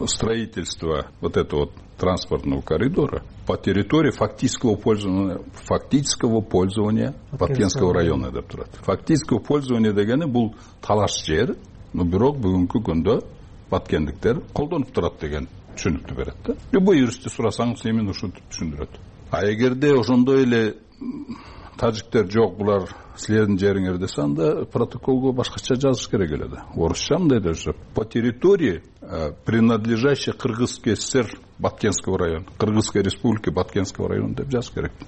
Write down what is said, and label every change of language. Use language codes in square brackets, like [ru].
[ru] Строительство вот этого транспортного коридора по территории фактического пользования Баткенского района [ky] деп турат. [ru] Фактического пользования [ky] дегени бул талаш жер, но бирок бүгүнкү күндө баткендиктер колдонуп турат деген түшүнүктү берет да. Любой юристти сурасаңыз эмин ушинтип түшүндүрөт. А эгерде ошондой эле тажиктер жок, булар силердин жериңер десе, анда протоколго башкача жазыш керек эле да. Орусча мындай да жүрөт. [ru] По территории, принадлежащей Кыргызской ССР Баткенского района, Кыргызской Республики Баткенского района [ky] деп жазыш керек.